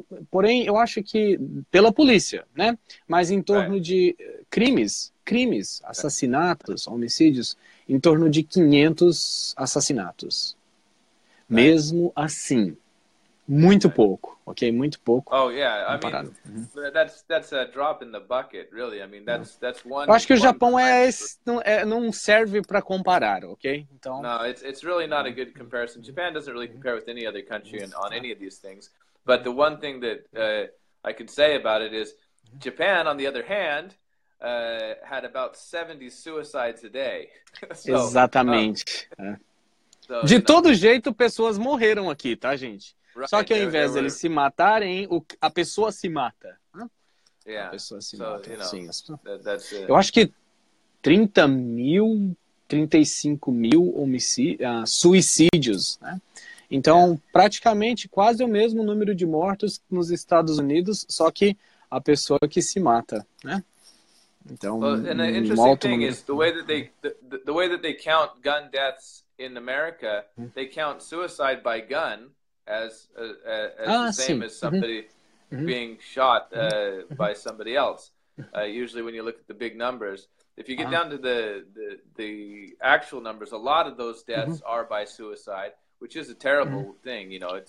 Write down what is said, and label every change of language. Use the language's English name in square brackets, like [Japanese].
[Portuguese] Porém, eu acho que pela polícia, né? Mas em torno de crimes, assassinatos, homicídios, em torno de 500 assassinatos. Mesmo assim, muito pouco, ok? Muito pouco. [English] Oh yeah, comparado. I mean, that's a drop in the bucket, really. I mean, that's one. [Portuguese] Eu acho que o Japão não serve para comparar, ok? Então. [English] No, it's really not a good comparison. Japan doesn't really compare with any other country on any of these things. But the one thing that I can say about it is, Japan, on the other hand, had about 70 suicides a day. [Portuguese] So, exatamente. So, de todo jeito, pessoas morreram aqui, tá, gente? [English] Right. [Portuguese] Só que ao invés deles se matarem, a pessoa se mata. a pessoa se mata. Sim, eu acho que 30 mil, 35 mil suicídios, né? Então, praticamente quase o mesmo número de mortos nos Estados Unidos, só que a pessoa que se mata, né? Então, [English] The way that they count gun deaths in America, they count suicide by gun as the same as somebody being shot by somebody else. Usually when you look at the big numbers, if you get down to the actual numbers, a lot of those deaths are by suicide, which is a terrible thing, you know.